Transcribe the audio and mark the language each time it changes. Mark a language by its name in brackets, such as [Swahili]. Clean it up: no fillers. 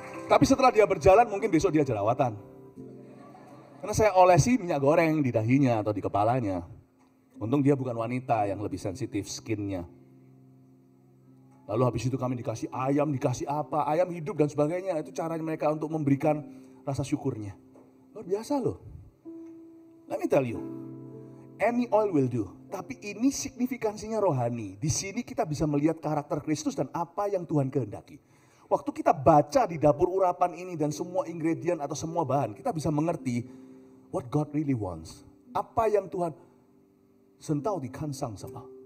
[Indonesian] Tapi setelah dia berjalan, mungkin besok dia jerawatan. Karena saya olesi minyak goreng di dahinya atau di kepalanya. Untung dia bukan wanita yang lebih sensitif skinnya. Lalu habis itu kami dikasih ayam, dikasih apa, ayam hidup dan sebagainya. Itu caranya mereka untuk memberikan rasa syukurnya. Luar biasa loh. [English] Let me tell you, any oil will do. [Indonesian] Tapi ini signifikansinya rohani. Di sini kita bisa melihat karakter Kristus dan apa yang Tuhan kehendaki. Waktu kita baca di dapur urapan ini dan semua ingredient atau semua bahan, kita bisa mengerti [English] what God really wants. [Indonesian] Apa yang Tuhan sentau di kansang sama.